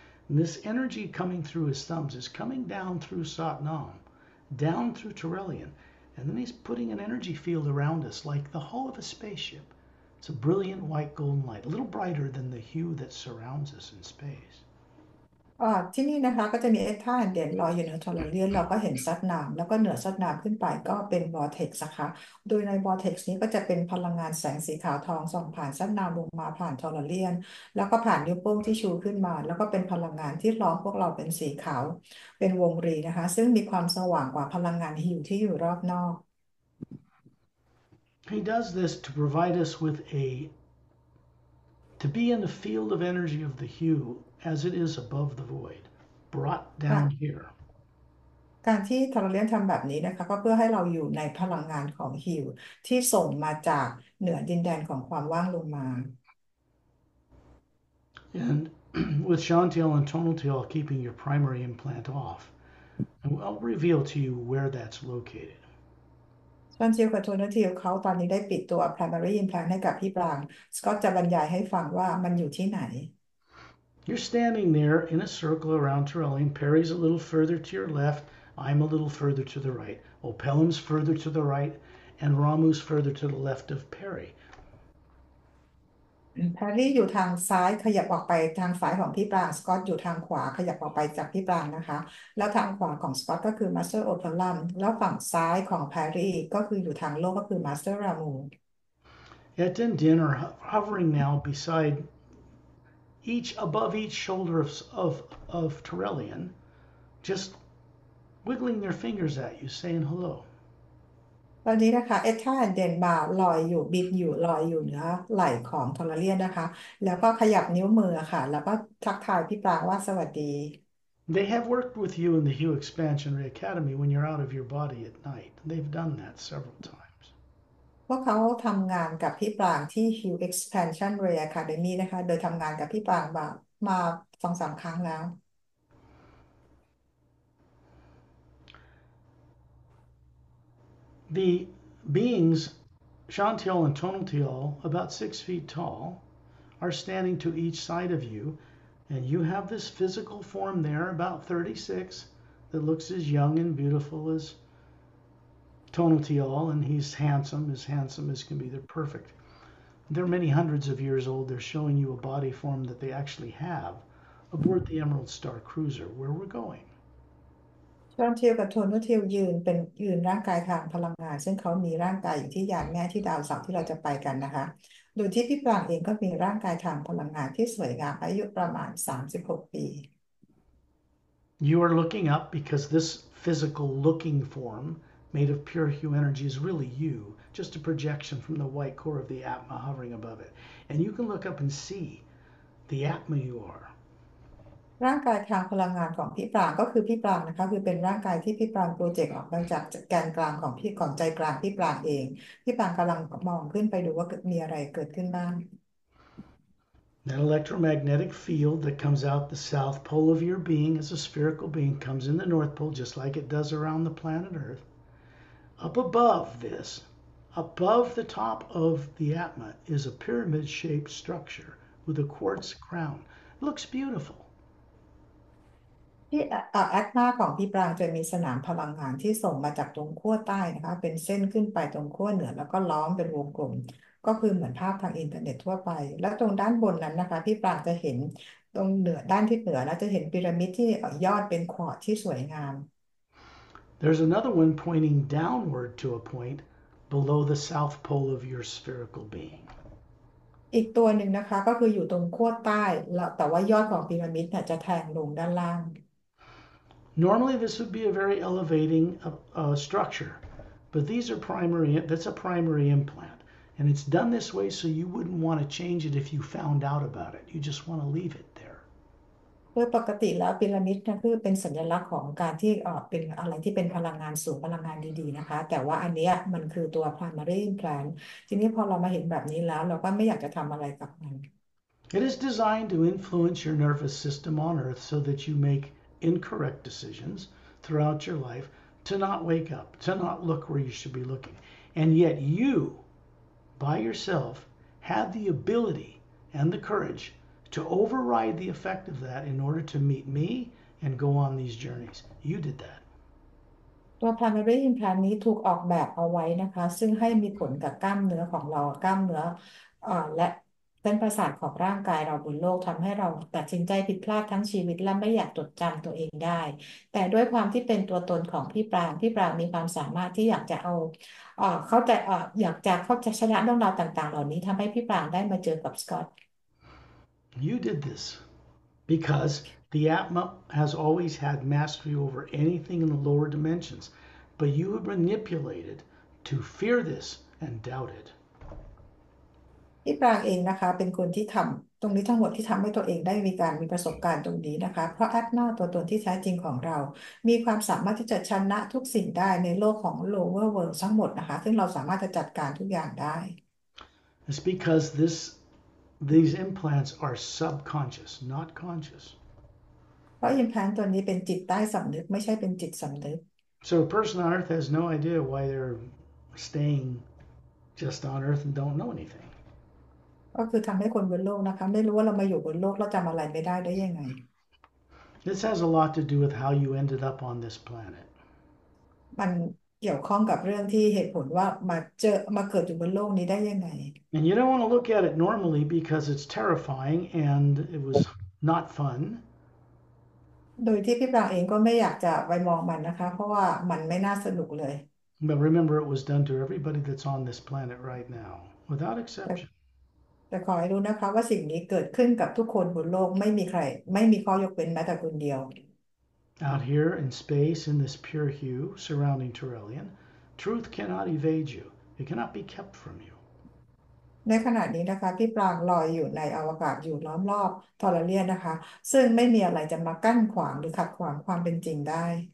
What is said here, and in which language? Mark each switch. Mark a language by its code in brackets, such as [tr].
[en] And this energy coming through his thumbs is coming down through Satnam, down through Torellian, and then he's putting an energy field around us like the hull of a spaceship. It's a brilliant white golden light, a little brighter than the hue that surrounds us in space. [th] ที่นี่นะคะก็จะมีเอท่านเด่นลอยอยู่เหนือทอร์เรียนเราก็เห็นซัดน้ำแล้วก็เหนือซัดน้ำขึ้นไปก็เป็นวอร์เท็กซ์นะคะโดยในวอร์เท็กซ์นี้ก็จะเป็นพลังงานแสงสีขาวทองส่องผ่านซัดน้ำลงมาผ่านทอร์เรียนแล้วก็ผ่านนิ้วโป้งที่ชูขึ้นมาแล้วก็เป็นพลังงานที่ล้อมพวกเราเป็นสีขาวเป็นวงรีนะคะซึ่งมีความสว่างกว่าพลังงานฮิวที่อยู่รอบนอก [en] He does this to provide us with to be in the field of energy of the hue as it is above the void, brought down here. [th] การที่ทอร์เรียนทำแบบนี้นะคะก็เพื่อให้เราอยู่ในพลังงานของฮิวที่ส่งมาจากเหนือดินแดนของความว่างลงมา [en] And with Chantiel and Tonaltiel keeping your primary implant off, I'll reveal to you where that's located. [th] ตอนเชียวกับโทนทีลเขาตอนนี้ได้ปิดตัว primary implant ให้กับพี่ปรางสก็อตจะบรรยายให้ฟังว่ามันอยู่ที่ไหน [en] You're standing there in a circle around Torellian. Perry's a little further to your left. I'm a little further to the right. Opelim's further to the right. And Ramu's further to the left of Perry. [th] Perry อยู่ทางซ้ายขยับออกไปทางฝ่ายของพี่ปรางสก็อตอยู่ทางขวาขยับออกไปจากพี่ปรางนะคะแล้วทางขวาของสก็อตก็คือ Master Opelim แล้วฝั่งซ้ายของ Perry ก็คืออยู่ทางโลกก็คือ Master Ramu [en] Etta and Din are hovering now beside each above each shoulder of Torellian just wiggling their fingers at you saying hello [th] ตอนนี้นะคะเอท่าเดนมาลอยอยู่บินอยู่ลอยอยู่เหนือไหล่ของทอร์เรียนนะคะแล้วก็ขยับนิ้วมือค่ะแล้วก็ทักทายพี่ปลาว่าสวัสดี [en] They have worked with you in the Hue Expansion Ray Academy when you're out of your body at night. They've done that several times. [th] ว่าเขาทำงานกับพี่ปรางที่ Hue Expansion Ray Academy นะคะโดยทำงานกับพี่ปรางมา2-3 ครั้งแล้ว [en] The beings, Chantiel and Tonaltiel, about 6 feet tall, are standing to each side of you, and you have this physical form there, about 36, that looks as young and beautiful as Tonaltiel, and he's handsome as can be. They're perfect. They're many hundreds of years old. They're showing you a body form that they actually have aboard the Emerald Star Cruiser, where we're going. [th] ตอนเทียวกับโทนุเทียวยืนเป็นยืนร่างกายทางพลังงานซึ่งเขามีร่างกายอยู่ที่ยานแม่ที่ดาวเสาร์ที่เราจะไปกันนะคะโดยที่พี่ปรางเองก็มีร่างกายทางพลังงานที่สวยงามอายุประมาณ36 ปี [en] You are looking up because this physical looking form made of pure Hue energy is really you, just a projection from the white core of the Atma hovering above it. And you can look up and see the Atma you are. [th] ร่างกายทางพลังงานของพี่ปรางก็คือพี่ปรางนะคะคือเป็นร่างกายที่พี่ปรางโปรเจกต์ออกมาจากแกนกลางของพี่ก่อนใจกลางพี่ปรางเองพี่ปรางกำลังมองขึ้นไปดูว่ามีอะไรเกิดขึ้นบ้าง [en] That electromagnetic field that comes out the south pole of your being as a spherical being comes in the north pole just like it does around the planet Earth. Up above this, above the top of the Atma, is a pyramid-shaped structure with a quartz crown. It looks beautiful. [th] ที่แอตมาของพี่ปรางจะมีสนามพลังงานที่ส่งมาจากตรงขั้วใต้นะคะเป็นเส้นขึ้นไปตรงขั้วเหนือแล้วก็ล้อมเป็นวงกลมก็คือเหมือนภาพทางอินเทอร์เน็ตทั่วไปแล้วตรงด้านบนนั้นนะคะพี่ปรางจะเห็นตรงเหนือด้านที่เหนือแล้วจะเห็นพีระมิดที่ยอดเป็นควอตซ์ที่สวยงาม [en] There's another one pointing downward to a point below the south pole of your spherical being. [th] อีกตัวหนึ่งนะคะก็คืออยู่ตรงขั้วใต้แล้วแต่ว่ายอดของพีระมิดเนี่ยจะแทงลงด้านล่าง [en] Normally, this would be a very elevating structure, but these are primary, that's a primary implant, and it's done this way so you wouldn't want to change it if you found out about it. You just want to leave it there. [th] โดยปกติแล้วพีระมิดนะคือเป็นสัญลักษณ์ของการที่เป็นอะไรที่เป็นพลังงานสูงพลังงานดีๆนะคะแต่ว่าอันนี้มันคือตัว primary implant ทีนี้พอเรามาเห็นแบบนี้แล้วเราก็ไม่อยากจะทำอะไรกับมัน [en] It is designed to influence your nervous system on Earth so that you make incorrect decisions throughout your life to not wake up, to not look where you should be looking. And yet you, by yourself, had the ability and the courage to override the effect of that in order to meet me and go on these journeys. You did that. [th] ตัว primary implant นี้ถูกออกแบบเอาไว้นะคะซึ่งให้มีผลกับกล้ามเนื้อของเรากล้ามเนื้อและเส้นประสาทของร่างกายเราบนโลกทำให้เราตัดสินใจผิดพลาดทั้งชีวิตและไม่อยากจดจำตัวเองได้แต่ด้วยความที่เป็นตัวตนของพี่ปรางมีความสามารถที่อยากจะเอาเข้าใจอยากจะเข้าใจชนะเรื่องราวต่างๆเหล่านี้ทำให้พี่ปรางได้มาเจอกับสกอต [en] You did this because the Atma has always had mastery over anything in the lower dimensions, but you have manipulated to fear this and doubt it. [th] พี่ปรางเองนะคะเป็นคนที่ทำตรงนี้ทั้งหมดที่ทำให้ตัวเองได้มีการมีประสบการณ์ตรงนี้นะคะเพราะแอตมาตัวตนที่แท้จริงของเรามีความสามารถที่จะชนะทุกสิ่งได้ในโลกของ Lower World ทั้งหมดนะคะซึ่งเราสามารถจะจัดการทุกอย่างได้ [en] It's because thisThese implants are subconscious, not conscious. [th] เพราะอิมแพลนต์ตัวนี้เป็นจิตใต้สำนึกไม่ใช่เป็นจิตสำนึก [en] So a person on Earth has no idea why they're staying just on Earth and don't know anything. [th] ก็คือทำให้คนบนโลกนะคะไม่รู้ว่าเรามาอยู่บนโลกเราจำอะไรไม่ได้ได้ยังไง [en] This has a lot to do with how you ended up on this planet. [th] มันเกี่ยวข้องกับเรื่องที่เหตุผลว่ามาเจอมาเกิดอยู่บนโลกนี้ได้ยังไง [en] And you don't want to look at it normally because it's terrifying and it was not fun. [th] โดยที่พี่ปรางเองก็ไม่อยากจะไปมองมันนะคะเพราะว่ามันไม่น่าสนุกเลย [en] But remember it was done to everybody that's on this planet right now, without exception. [th] แต่ขอให้รู้นะคะว่าสิ่งนี้เกิดขึ้นกับทุกคนบนโลกไม่มีใครไม่มีข้อยกเว้นแม้แต่คนเดียว [en] Out here in space, in this pure hue surrounding Torellian, truth cannot evade you. It cannot be kept from you. [th] ในขณะนี้นะคะพี่ปรางลอยอยู่ในอวกาศอยู่ล้อมรอบทอร์เรียนนะคะซึ่งไม่มีอะไรจะมากั้นขวางหรือขัดขวางความเป็นจริงได้